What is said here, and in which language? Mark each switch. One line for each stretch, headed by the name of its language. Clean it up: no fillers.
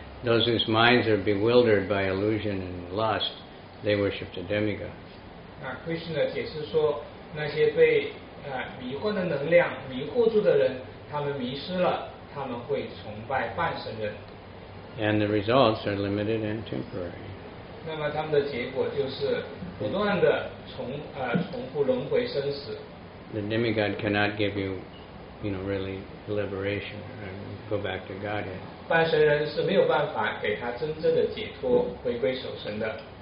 English: Those whose minds are bewildered by illusion and lust, they worship the demigods.
Chinese: Krishna 解释说，那些被迷幻的能量迷惑住的人，他们迷失了，他们会崇拜半神人。
English: And the results are limited and temporary.
Chinese: 那么他们的结果就是不断的重复轮回生死。
English: The demigod cannot give you really liberation and go back to Godhead.
Chinese: 半神人是没有办法给他真正的解脱，回归守神的。